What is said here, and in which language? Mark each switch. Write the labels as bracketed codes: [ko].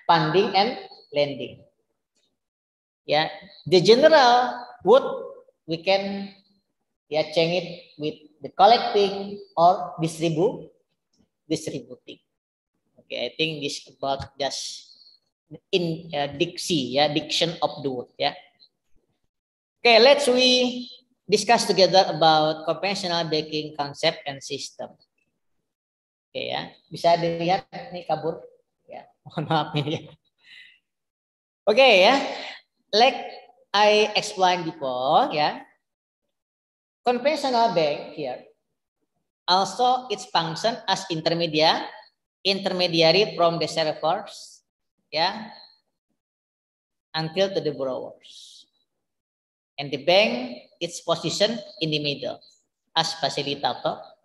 [en] Funding and lending. Yeah, the general would we can yeah change it with the collecting or distributing. Okay, I think this about just in diksi, yeah, diction of the word, yeah. Okay, let's we discuss together about conventional banking concept and system. Okay, ya, yeah. [id] Bisa dilihat ini kabur, ya. Yeah. Mohon maaf ini. Ya. Okay, ya. Yeah. [en] Like I explained before, yeah, conventional bank here also its function as intermediary from the servers, yeah, until to the borrowers, and the bank its position in the middle as facilitator.